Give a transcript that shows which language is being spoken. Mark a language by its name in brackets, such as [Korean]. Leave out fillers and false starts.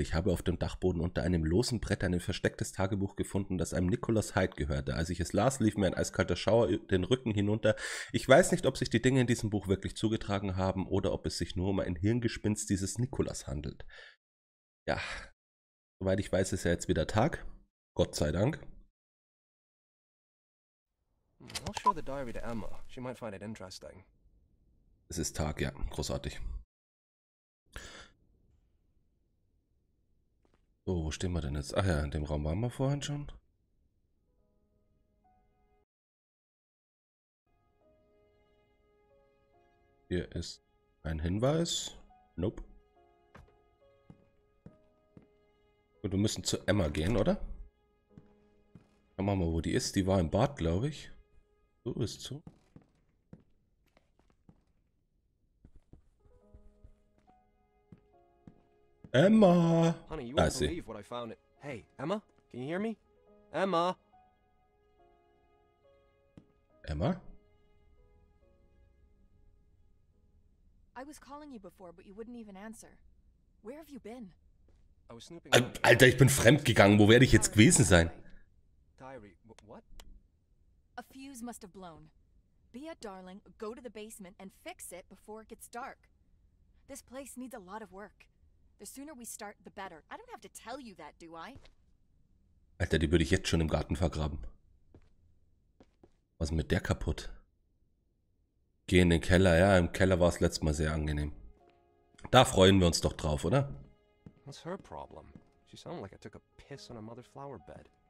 [German] Ich habe auf dem Dachboden unter einem losen Brett ein verstecktes Tagebuch gefunden, das einem Nicholas Hyde gehörte. Als ich es las, lief mir ein eiskalter Schauer den Rücken hinunter. Ich weiß nicht, ob sich die Dinge in diesem Buch wirklich zugetragen haben oder ob es sich nur um ein Hirngespinst dieses Nicholas handelt. Ja, soweit ich weiß, ist ja jetzt wieder Tag. Gott sei Dank. [English] I'll show the diary to Emma. She might find it interesting. [German] Es ist Tag, ja, großartig. So, wo stehen wir denn jetzt? Ach ja, in dem Raum waren wir vorhin schon. Hier ist ein Hinweis. Nope. Gut, wir müssen zu Emma gehen, oder? Schauen wir mal, wo die ist. Die war im Bad, glaube ich. So ist zu. Emma! [English] Honey, you won't believe what I found it. Hey, Emma? Can you hear me? Emma? Emma? I was calling you before, but you wouldn't even answer. Where have you been? I was snooping. [German] Alter, ich bin fremdgegangen. Wo werde ich jetzt gewesen sein? [English] Diary, what? A fuse must have blown. Bea, darling, go to the basement and fix it before it gets dark. This place needs a lot of work. The sooner we start, the better. I don't have to tell you that, do I? [German] Alter, die würde ich jetzt schon im Garten vergraben. Was ist mit der kaputt? Geh in den Keller, ja. Im Keller war es letztes Mal sehr angenehm. Da freuen wir uns doch drauf, oder? [English] What's her problem? She sounded like I took a piss on a mother flower bed.